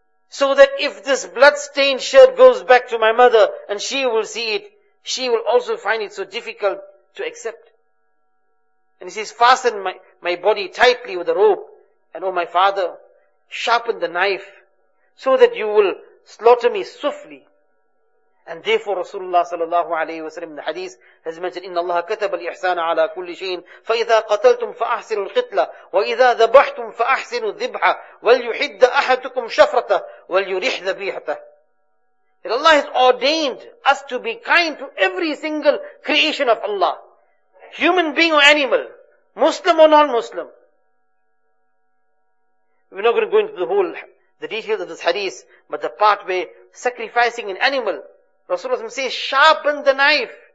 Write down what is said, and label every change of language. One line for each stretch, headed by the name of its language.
English: So that if this blood-stained shirt goes back to my mother and she will see it, she will also find it so difficult to accept. And he says, fasten my body tightly with a rope. And oh my father, sharpen the knife so that you will slaughter me swiftly. And therefore Rasulullah sallallahu alayhi wa sallam in the hadith has mentioned,
Arabic: إِنَّ اللَّهَ كَتَبَ الْإِحْسَانَ عَلَىٰ كُلِّ شَيْءٍ فَإِذَا قَتَلْتُمْ فَأَحْسِنُوا الْقِتْلَ وَإِذَا ذَبَحْتُمْ فَأَحْسِنُوا الذِّبْحَ وَلْيُحِدَّ أَحَدُكُمْ شَفْرَتَهُ وَلْيُرِحْ ذَبِيحَتَهُ.
English: That Allah has ordained us to be kind to every single creation of Allah. Human being or animal. Muslim or non-Muslim. We're not going to go into the details of this hadith, but the part where sacrificing an animal, Rasulullah says, sharpen the knife.